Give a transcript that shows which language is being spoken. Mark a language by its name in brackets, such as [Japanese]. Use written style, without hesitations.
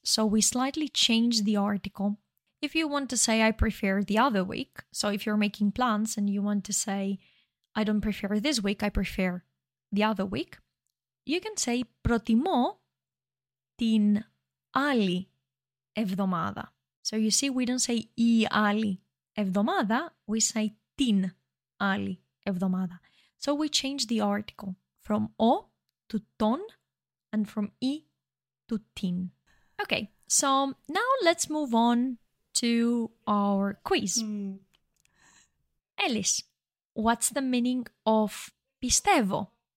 [English] So we slightly change the article. If you want to say I prefer the other week, so if you're making plans and you want to say I don't prefer this week, I prefer the other week, you can say [Greek] προτιμώ την άλλη εβδομάδα. [English] So you see, we don't say [Greek] η άλλη εβδομάδα, [English] we say [Greek] την άλλη εβδομάδα. [English] So we change the article from ο to τον and from η to την. Okay, so now let's move on to our quiz. Mm. Alice, what's the meaning of πιστεύω?